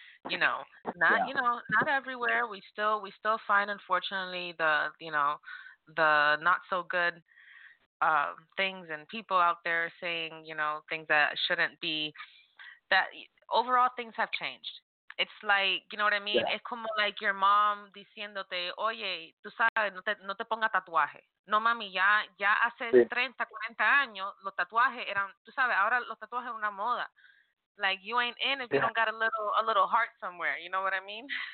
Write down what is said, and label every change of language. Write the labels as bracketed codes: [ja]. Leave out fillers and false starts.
[en] You know, not everywhere. We still find, unfortunately, the not so good things and people out there saying, you know, things that shouldn't be. That overall things have changed. It's like, you know what I mean? Yeah. [es] Es como [en] like your mom [es] diciéndote, oye, tú sabes, no te ponga tatuaje. No, mami, ya hace 30, 40 años los tatuajes eran, tú sabes, ahora los tatuajes son una moda. [en] Like, you ain't in if you don't got a little heart somewhere. You know what I mean?